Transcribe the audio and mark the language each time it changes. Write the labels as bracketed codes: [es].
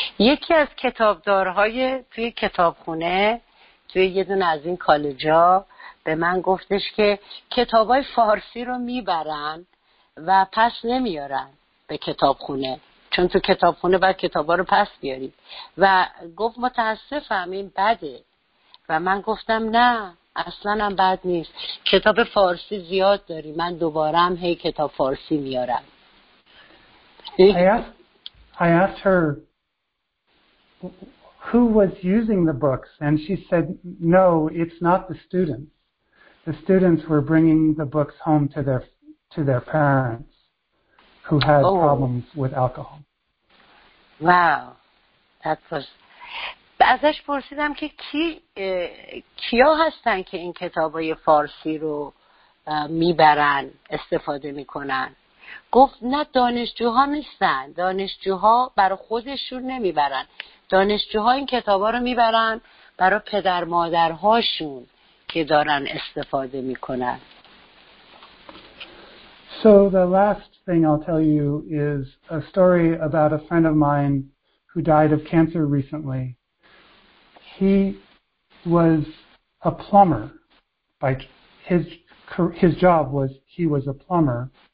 [fa] یکی از کتابدارهای توی کتابخونه توی یه دونه از این کالج ها به من گفتش که کتاب های فارسی رو میبرن و پس نمیارن به کتابخونه، چون تو کتابخونه باید کتاب ها رو پس بیارید و گفت متاسفم این بده و من گفتم نه اصلا هم بد نیست، کتاب فارسی زیاد داری، من دوباره هم هی کتاب فارسی میارم. [en] I asked her who was using the books and she said no, it's not the students. The students were bringing the books home to their parents who had problems with alcohol. Wow. That was [fa] ازش پرسیدم که کی کیا هستن که این کتابای فارسی رو میبرن استفاده میکنن. گفت نه دانشجوها نیستن، دانشجوها برای خودشون نمیبرن، دانشجوها این کتابا رو میبرن برای پدر مادرهاشون که دارن استفاده میکنن. [en] So the last thing I'll tell you is a story about a friend of mine who died of cancer recently. He was a plumber. Like his job was, he was a plumber.